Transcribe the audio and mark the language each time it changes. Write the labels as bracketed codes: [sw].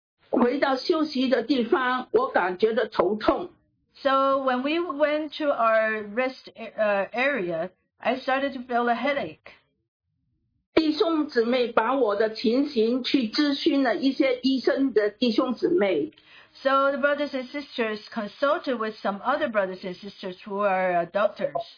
[zh] 回到休息的地方, 我感觉到头痛。 [en] So when we went to our rest area, I started to feel a headache. [zh] 弟兄姊妹把我的情形去咨询了一些医生的弟兄姊妹。 [en] So the brothers and sisters consulted with some other brothers and sisters who are doctors.